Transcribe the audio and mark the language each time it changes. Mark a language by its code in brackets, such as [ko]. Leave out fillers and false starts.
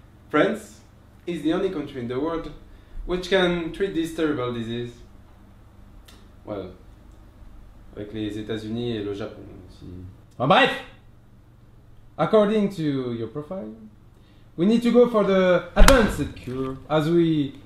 [en] France is the only country in the world which can treat this terrible disease. Well, [fr] avec les États-Unis et le Japon aussi. Bon, bref! [en] According to your profile, we need to go for the advanced cure as we